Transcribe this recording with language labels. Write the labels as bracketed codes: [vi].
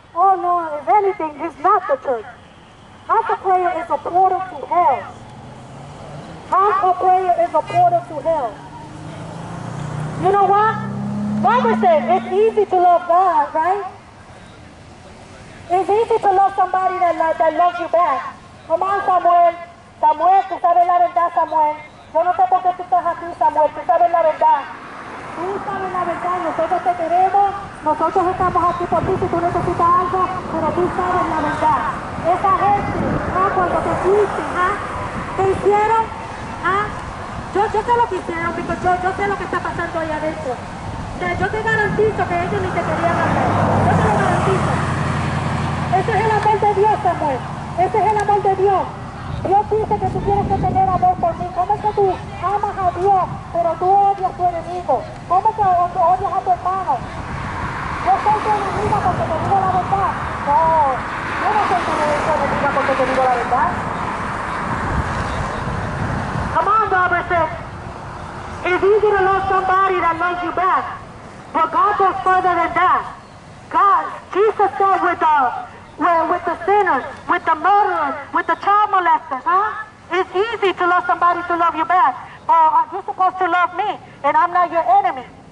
[en] Oh, no, if anything, it's not the church. House of Prayer is a portal to hell. House of Prayer is a portal to hell. You know what? Barbara said, it's easy to love God, right? It's easy to love somebody that loves you back. Come on, [es] Samuel. Samuel, tú sabes la verdad, Samuel. Yo no sé por qué tú estás aquí, Samuel. Tú sabes la verdad. Tú sabes la verdad. Nosotros te queremos. Nosotros estamos aquí por ti si tú necesitas algo. Pero tú sabes la verdad. Esa gente, ¿ah? Cuando te fuiste, ¿ah? ¿Qué hicieron? ¿Ah? Yo sé lo que hicieron, porque yo sé lo que está pasando ahí adentro. Yo te garantizo que ellos ni te querían hablar. Yo te lo garantizo. Ese es el amor de Dios, Samuel. Ese es el amor de Dios. Dios dice que tú tienes que tener amor por mí. ¿Cómo es que tú amas a Dios, pero tú odias a tu enemigo? ¿Cómo es que tú odias a tu hermano? Yo soy tu enemigo porque te digo la verdad. No, yo no soy tu enemigo porque te digo la verdad. [en] Come on, Robertson. It's easy to love somebody that loves you back. But God goes further than that. God, Jesus said with the sinners, with the murderers, with the child molesters, huh? It's easy to love somebody to love you back. But you're supposed to love me, and I'm not your enemy.